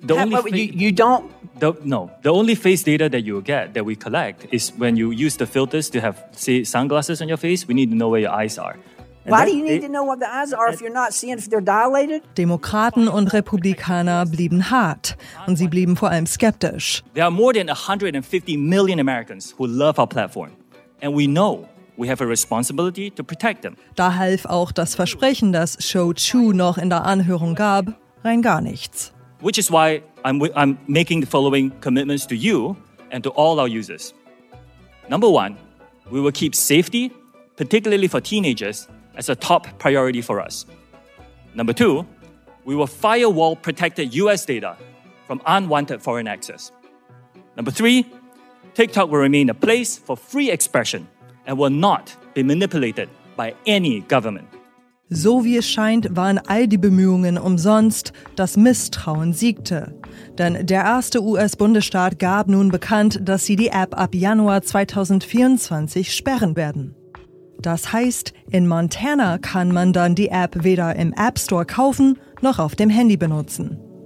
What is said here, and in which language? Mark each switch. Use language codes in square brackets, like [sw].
[en] The only face data that you get, that we collect, is when you use the filters to have, say, sunglasses on your face. We need to know where your eyes are. Why do you need to know what the eyes are if you're not seeing if they're dilated? [de] Demokraten und Republikaner blieben hart und sie blieben vor allem skeptisch. [en] There are more than 150 million Americans who love our platform and we know we have a responsibility to protect them. [de] Da half auch das Versprechen, das Shou Chu noch in der Anhörung gab, rein gar nichts. [en] Which is why I'm making the following commitments to you and to all our users. Number one, we will keep safety, particularly for teenagers, as a top priority for us. Number two, we will firewall protected US data from unwanted foreign access. Number three, TikTok will remain a place for free expression and will not be manipulated by any government. [de] So wie es scheint, waren all die Bemühungen umsonst, das Misstrauen siegte. Denn der erste US-Bundesstaat gab nun bekannt, dass sie die App ab Januar 2024 sperren werden. Das heißt, in Montana kann man dann die App weder im App Store kaufen, noch auf dem Handy benutzen.